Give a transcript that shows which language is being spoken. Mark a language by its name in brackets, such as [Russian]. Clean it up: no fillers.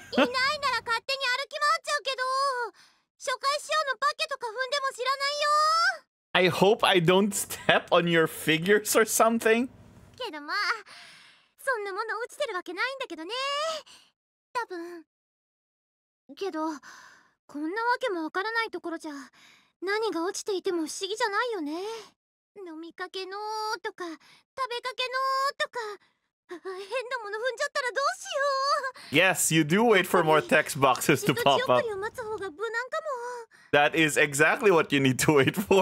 [Japanese] いないなら勝手に歩き回っちゃうけど、初回仕様の化けとか踏んでも知らないよ。 [English] I hope I don't step on your figures or something. [Japanese] けどまあ、そんなもの落ちてるわけないんだけどね。多分。けど、こんなわけもわからないところじゃ。何が落ちていても不思議じゃないよね。飲みかけのーとか、食べかけのーとか、変なもの踏んじゃったらどうしよう。 [English] Yes, you do wait for more text boxes to pop up. [Japanese] 命を待つ方が無難かも。 [English] That is exactly what you need to wait for.